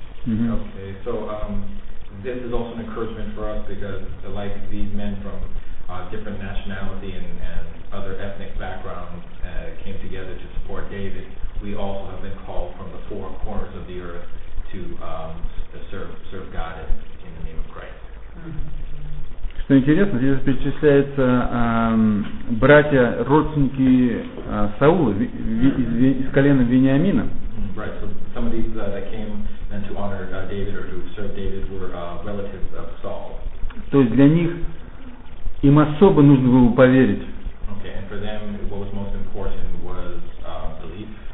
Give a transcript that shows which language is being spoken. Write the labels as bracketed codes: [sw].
[en] Okay, so this is also an encouragement for us because like these men from different nationality and other ethnic backgrounds came together to support David. We also have been called from the four corners of the earth to serve God in the name of Christ. [ru] Что интересно, здесь перечисляются братья, родственники Саула из колена Вениамина. [en] Right, so some of these that came and to honor David or to serve David were relatives of Saul. [ru] То есть для них им особо нужно было поверить. [en] Okay, and for them what was most important was belief.